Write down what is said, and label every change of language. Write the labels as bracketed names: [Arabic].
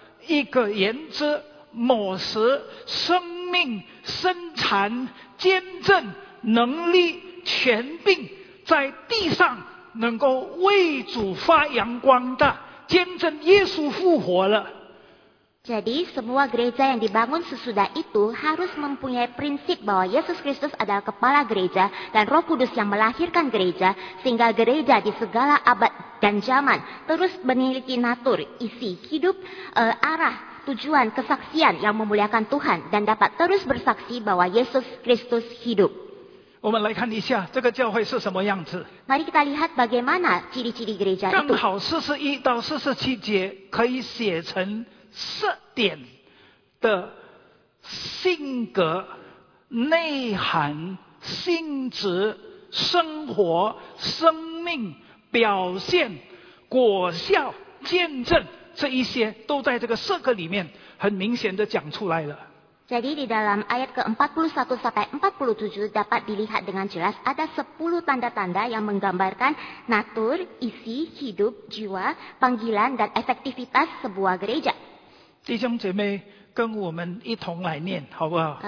[Chinese] 一个原则、模式、生命、生产、见证能力，全并在地上能够为主发扬光大，见证耶稣复活了。 [Indonesian] Jadi semua gereja yang dibangun sesudah itu harus mempunyai prinsip bahwa Yesus Kristus adalah kepala gereja dan Roh Kudus yang melahirkan gereja sehingga gereja di segala abad dan zaman terus memiliki natur, isi, hidup, arah, tujuan, kesaksian yang memuliakan Tuhan dan dapat terus bersaksi bahwa Yesus Kristus hidup. [Chinese] 我们来看一下这个教会是什么样子。 [Indonesian] Mari kita lihat bagaimana ciri-ciri gereja itu. [Chinese] 刚好41到47节可以写成 四点的性格、内涵、性质、生活、生命、表现、果效、见证，这一些都在这个四个里面很明显的讲出来了。 [Indonesian] Jadi di dalam ayat ke-41-47 dapat dilihat dengan jelas ada 10 tanda-tanda yang menggambarkan natur, isi, hidup, jiwa, panggilan dan efektivitas sebuah gereja. [Chinese] 弟兄姐妹，跟我们一同来念，好不好？